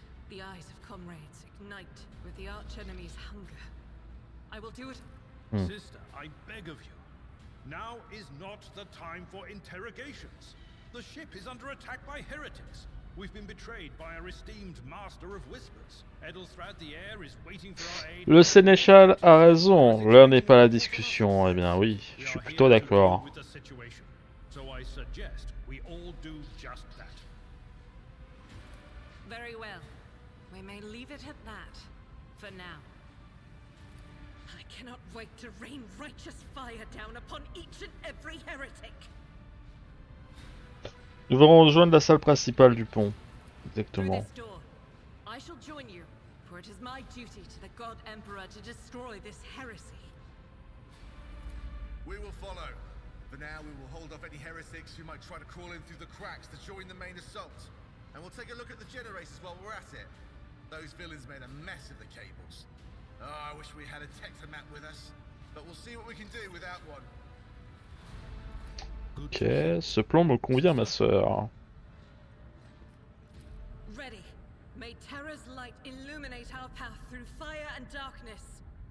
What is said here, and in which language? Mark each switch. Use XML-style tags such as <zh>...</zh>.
<en>The eyes of comrades ignite with the archenemy's hunger. I will do it. Sister, I beg of you. Now is not the time for interrogations. The ship is under attack by heretics. We've been betrayed by our esteemed master of whispers. Edelstrad the heir is waiting for our aid.</en> <fr>Le sénéchal a raison, l'heure n'est pas la discussion. Eh bien oui, je suis plutôt d'accord.</fr> <en>So I suggest we all do just that. Very well. We may leave it at that, for now. I cannot wait to rain righteous fire down upon each and every heretic.</en> <fr>Nous allons rejoindre la salle principale du pont. Exactement.</fr> <en>I shall join you, for it is my duty to the God Emperor to destroy this heresy. We will follow. For now, we will hold off any heretics who might try to crawl in through the cracks to join the main assault. And we'll take a look at the generators while we're at it. Those villains made a mess of the cables. Oh, I wish we had a tector map with us, but we'll see what we can do without one.</en> <fr>Ok, ce plan me convient, ma sœur.</fr> <en>Ready. May Terra's light illuminate our path through fire and darkness.</en>